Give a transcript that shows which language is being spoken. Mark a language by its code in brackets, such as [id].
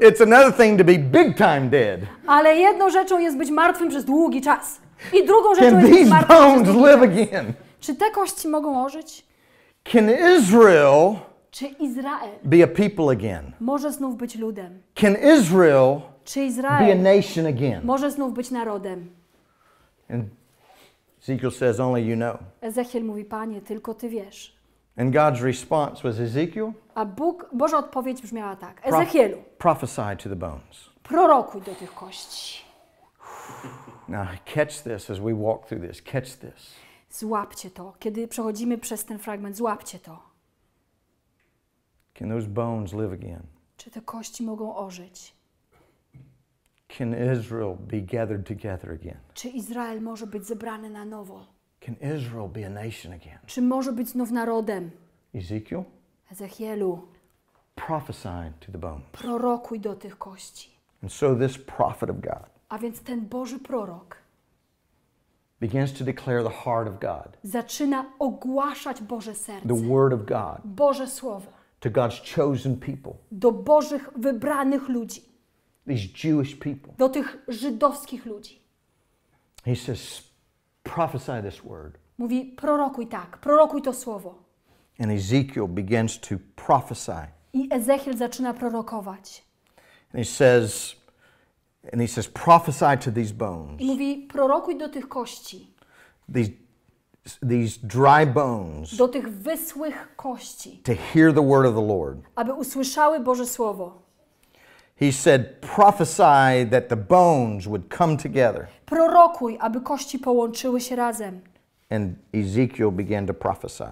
[en] It's another thing to be big time dead. [pl] Ale jedną rzeczą jest być martwym przez długi czas. I drugą rzeczą [en] can [pl] jest [en] these [pl] być martwym [en] bones [pl] przez [en] live [pl] czas. [en] Again? [pl] Czy te kości mogą ożyć? [en] Can Israel, [pl] czy Izrael, [en] be a people again? [pl] Może znów być ludem? [en] Can Israel, [pl] czy Izrael, [en] be a nation again? [pl] Może znów być narodem? [en] And Ezekiel says, only you know. [pl] Ezechiel mówi, Panie, tylko ty wiesz. [en] And God's response was Ezekiel. [pl] A Bóg, Boża odpowiedź brzmiała tak. Ezechielu. [en] Prophesy to the bones. [pl] Prorokuj do tych kości. [en] Now catch this as we walk through this. Catch this. [pl] Złapcie to, kiedy przechodzimy przez ten fragment, złapcie to. [en] Can those bones live again? [pl] Czy te kości mogą ożyć? [en] Can Israel be gathered together again? [pl] Czy Izrael może być zebrany na nowo? [en] Can Israel be a nation again? [pl] Czy może być znów narodem? [en] Ezekiel? [pl] Ezechielu. [en] Prophesy to the bones. [pl] Prorokuj do tych kości. [en] And so this prophet of God. [pl] A więc ten Boży prorok. [en] Begins to declare the heart of God. [pl] Zaczyna ogłaszać Boże serce. [en] The word of God. [pl] Boże słowo. [en] To God's chosen people. [pl] Do Bożych wybranych ludzi. [en] These Jewish people. [pl] Do tych żydowskich ludzi. [en] He says, prophesy this word. [pl] Mówi, prorokuj tak, prorokuj to słowo. [en] And Ezekiel begins to prophesy. [pl] I Ezechiel zaczyna prorokować. [en] And he says, and he says, prophesy to these bones. [pl] Mówi, prorokuj do tych kości. [en] These dry bones. [pl] Do tych wysłych kości. [en] To hear the word of the Lord. [pl] Aby usłyszały Boże słowo. [en] He said, prophesy that the bones would come together. [pl] Prorokuj, aby kości połączyły się razem. [en] And Ezekiel began to prophesy.